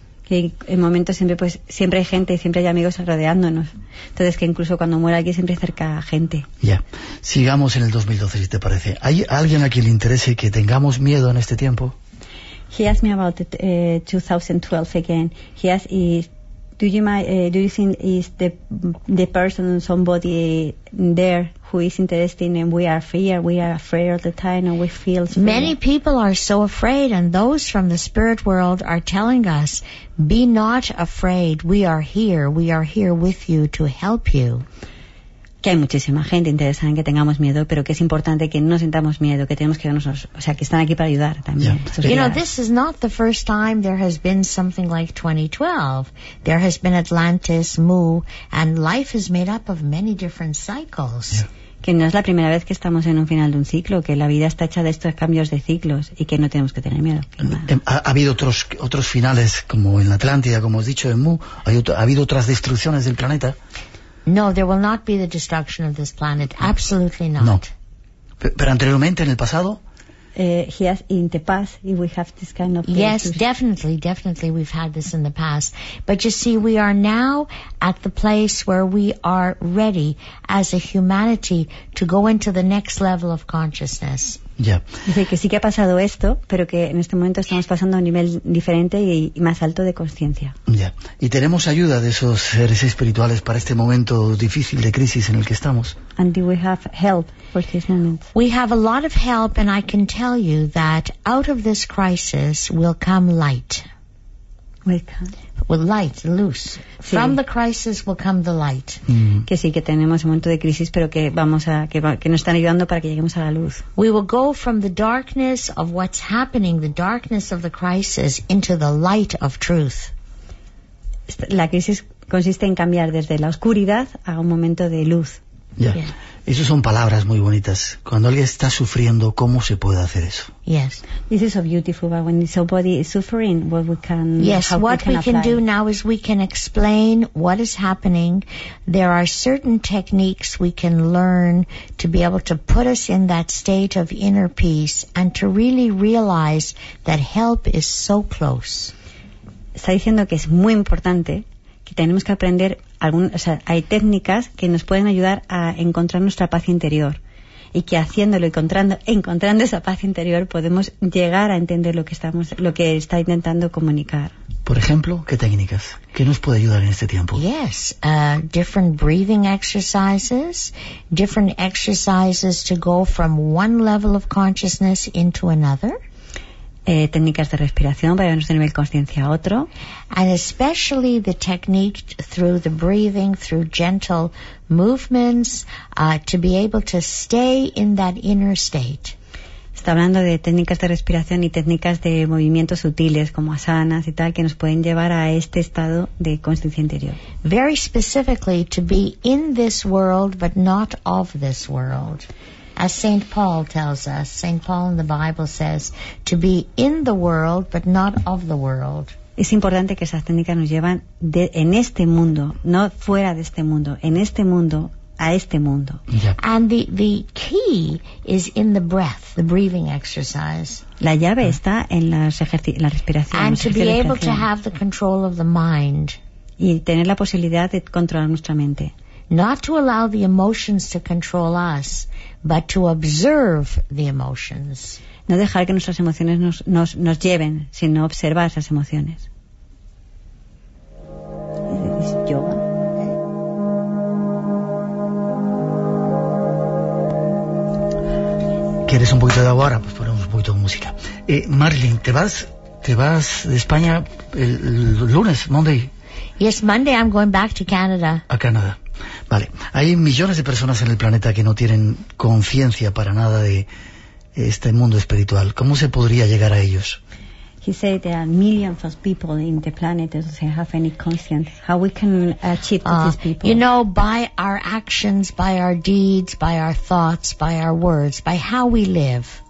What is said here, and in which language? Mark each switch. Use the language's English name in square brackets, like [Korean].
[Spanish] Que en momentos siempre, pues, siempre hay gente y siempre hay amigos rodeándonos. Entonces que incluso cuando muera alguien siempre cerca gente. Ya, sigamos en el 2012 si te parece. ¿Hay alguien a quien le interese que tengamos miedo en este tiempo? [English] He asked me about the 2012 again. He asked, do you think is the person, somebody there who is interested and we are afraid all the time and we feel fear? Many people are so afraid, and those from the spirit world are telling us, be not afraid, we are here with you to help you. [Spanish] Que hay muchísima gente interesada en que tengamos miedo, pero que es importante que no sintamos miedo, que tenemos que vernos, o sea, que están aquí para ayudar también. [English] Yeah. You know, this is not the first time there has been something like 2012. There has been Atlantis, Mu, and life is made up of many different cycles. Yeah. [Spanish] Que no es la primera vez que estamos en un final de un ciclo, que la vida está hecha de estos cambios de ciclos y que no tenemos que tener miedo. Ha habido otros finales, como en la Atlántida, como has dicho, en Mu, ha habido otras destrucciones del planeta. [English] No, there will not be the destruction of this planet. Absolutely not. [Spanish] No. Pero anteriormente, en el pasado? [English] Yes, in the past, we have this kind of... Yes, definitely, we've had this in the past. But you see, we are now at the place where we are ready as a humanity to go into the next level of consciousness. Yeah. [Spanish] Dice que sí que ha pasado esto, pero que en este momento estamos pasando a un nivel diferente y más alto de conciencia. [English] Yeah. [Spanish] ¿Y tenemos ayuda de esos seres espirituales para este momento difícil de crisis en el que estamos? [English] And do we have help for this moment? We have a lot of help, and I can tell you that out of this crisis will come light. Will light, [Spanish] luz. Sí. [English] From the crisis will come the light. Mm. [Spanish] Que sí, que tenemos un momento de crisis, pero que nos están ayudando para que lleguemos a la luz. [English] We will go from the darkness of what's happening, the darkness of the crisis, into the light of truth. [Spanish] La crisis consiste en cambiar desde la oscuridad a un momento de luz. Ya. Yeah. Esas son palabras muy bonitas. Cuando alguien está sufriendo, ¿cómo se puede hacer eso? [English] Yes. This is so beautiful, but when somebody is suffering, what we can... Yes, what we can do now is we can explain what is happening. There are certain techniques we can learn to be able to put us in that state of inner peace and to really realize that help is so close. [Spanish] Está diciendo que es muy importante que tenemos que aprender... hay técnicas que nos pueden ayudar a encontrar nuestra paz interior y que haciéndolo y encontrando esa paz interior podemos llegar a entender lo que está intentando comunicar. Por ejemplo, ¿qué técnicas? ¿Qué nos puede ayudar en este tiempo? [English] Yes, different breathing exercises, different exercises to go from one level of consciousness into another. [Spanish] Técnicas de respiración para llevarnos de nivel consciencia a otro. [English] And especially the technique through the breathing, through gentle movements, to be able to stay in that inner state. [Spanish] Está hablando de técnicas de respiración y técnicas de movimientos sutiles como asanas y tal que nos pueden llevar a este estado de consciencia interior. [English] Very specifically to be in this world but not of this world. As St. Paul tells us, St. Paul in the Bible says, to be in the world but not of the world. [Spanish] Es importante que esas técnicas nos llevan de, en este mundo, no fuera de este mundo, en este mundo a este mundo. [English] Yeah. And the key is in the breath, the breathing exercise. [Spanish] La llave está en las la respiración. [English] And to be able to have the control of the mind. [Spanish] Y tener la posibilidad de controlar nuestra mente. [English] Not to allow the emotions to control us, but to observe the emotions. [Spanish] No dejar que nuestras emociones nos lleven, sino observar esas emociones. Es yoga. ¿Quieres un poquito de agua ahora? Pues ponemos un poquito de música. Marilyn, ¿te vas de España el lunes, Monday? [English] Yes, Monday I'm going back to Canada. [Spanish] A Canadá. Vale. Hay millones de personas en el planeta que no tienen conciencia para nada de este mundo espiritual. ¿Cómo se podría llegar a ellos? [English] He said there are millions of people in the planet that don't have any conscience. How we can achieve these people? You know, by our actions, by our deeds, by our thoughts, by our words, by how we live.